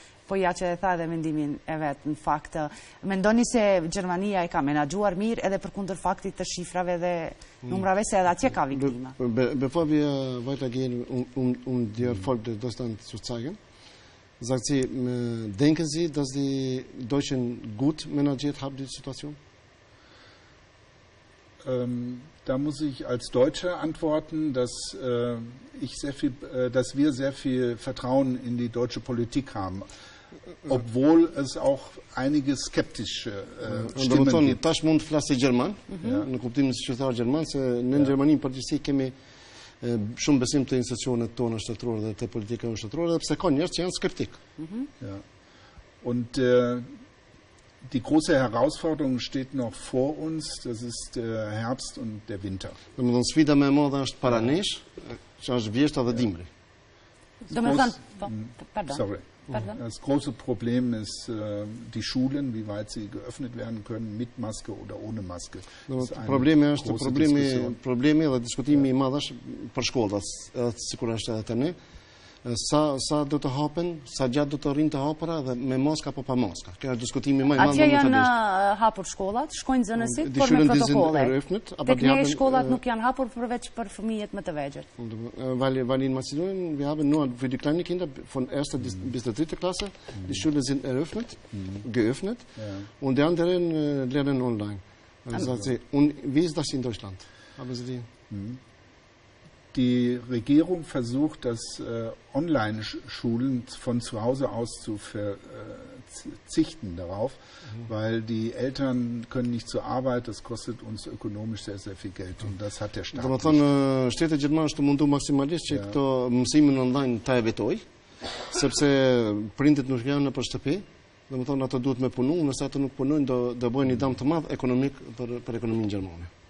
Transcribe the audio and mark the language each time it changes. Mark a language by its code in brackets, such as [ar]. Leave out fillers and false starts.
[sq] Po ja që e tha dhe mendimin e vetë, në fakt, mendoni se Gjermania e ka menaxhuar mirë edhe për kundër faktit të shifrave dhe numrave se edhe atje ka viktime. [de] Bevor wir weiter gehen um die Erfolge des Deutschlands zu zeigen, sagt sie, denken Sie, dass die Deutschen gut menagiert haben die Situation? Da muss ich als Deutscher antworten, dass wir sehr viel Vertrauen in die deutsche Politik haben. Obwohl es auch einige skeptische Stimmen gibt. [sq] Tash mund flasë gjerman, në kuptimin se thua gjerman, se në Gjermani në përgjithësi kemi shumë besim të institucionet tona shtetërore dhe të politikave shtetërore, pse ka njerëz që janë skeptik. [de] Und die große Herausforderung steht noch vor uns, das ist der Herbst und der Winter. [sq] Domethënë sfida më e madhe është para nesh, që është vjeshta dhe dimri. [de] Das große Problem ist die Schulen, wie weit sie geöffnet werden können, mit Maske oder ohne Maske. [sq] Probleme dhe diskutimi i madh është për shkollat, sigurisht edhe tani. Sa do të hapen, sa gjatë do të rrinë të hapura dhe me maska apo pa maska. Kjo është diskutimi më i madh. Atje janë hapur shkollat, shkojnë nxënësit, por me protokolle. Tek ne shkollat nuk janë hapur përveç për fëmijët më të vegjël. [de] Weil in Mazedonien, wir haben nur für die kleinen Kinder von 1. bis der 3. Klasse, die Schulen sind eröffnet, geöffnet und die anderen lernen online. Und wie ist das in Deutschland? Haben Sie die? Die Regierung versucht, das Online-Schulen von zu Hause aus zu verzichten darauf, weil die Eltern können nicht zur Arbeit, das kostet uns ökonomisch sehr, sehr viel Geld. Und das hat der Staat nicht. [sq] Dhe më thonë, shtetet gjithmonë është mundu maksimalisht që këto mësimin online ta evitoj, sepse prindit nuk janë në për shtëpi, dhe më thonë, ato duhet me punu, nëse ato nuk punojnë, dhe bojnë një dam të madhë ekonomik për ekonomin Gjermani.